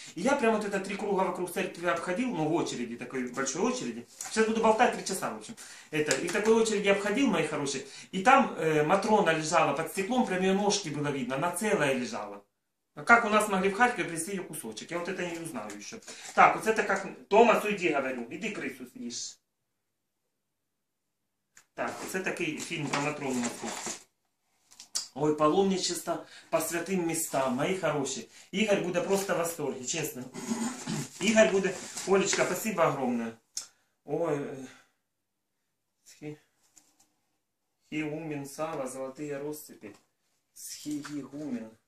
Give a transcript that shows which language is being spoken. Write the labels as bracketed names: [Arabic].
[Russian] И я прям вот это три круга вокруг церкви обходил, ну в очереди, такой большой очереди, сейчас буду болтать 3 часа, в общем, это, и в такой очереди обходил, мои хорошие, и там Матрона лежала под стеклом, прям ее ножки было видно, она целая лежала. А как у нас могли в Харькове принести ее кусочек, я вот это не узнаю еще. Так, вот это как, Томас, уйди, говорю, иди крысу съешь. [Ukrainian] Так, це такий фільм про Матрону Московську. [Russian] Ой, паломничество по святым местам, мои хорошие. Игорь буде просто в восторге, честно. Игорь буде... Олечка, спасибо огромное. Ой... Хиумин, Сава, золотые розцепи. Схиегумен.